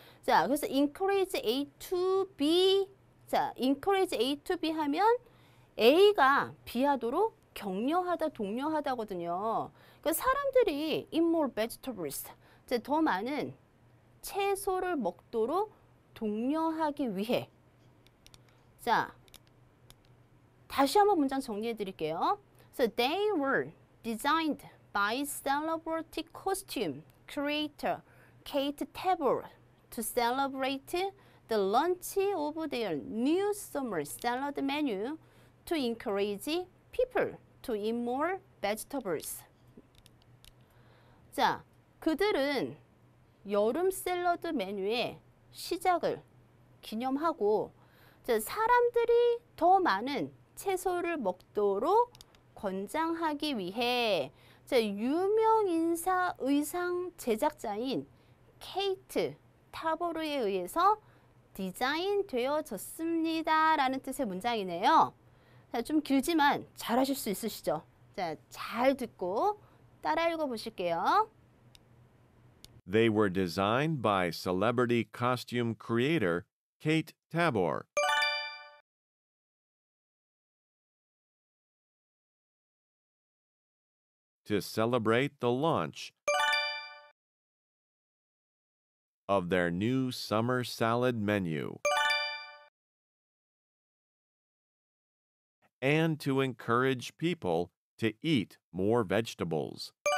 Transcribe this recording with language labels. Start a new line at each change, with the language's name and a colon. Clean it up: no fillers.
Korean: 자, 그래서 encourage A to B. 자, encourage A to B 하면 A가 B 하도록 격려하다, 독려하다거든요. 그러니까 사람들이
English: eat more vegetables.
Korean: 자, 더 많은 채소를 먹도록 독려하기 위해. 자, 다시 한번 문장 정리해 드릴게요.
English: So they were designed by celebrity costume creator Kate Tabor to celebrate the launch of their new summer salad menu to encourage people to eat more vegetables.
Korean: 자, 그들은 여름 샐러드 메뉴의 시작을 기념하고 자, 사람들이 더 많은 채소를 먹도록 권장하기 위해 자, 유명 인사 의상 제작자인 케이트 타보르에 의해서 디자인 되어졌습니다. 라는 뜻의 문장이네요. 자, 좀 길지만 잘하실 수 있으시죠? 자, 잘 듣고 따라 읽어 보실게요.
English: They were designed by celebrity costume creator Kate Tabor. To celebrate the launch of their new summer salad menu and to encourage people to eat more vegetables.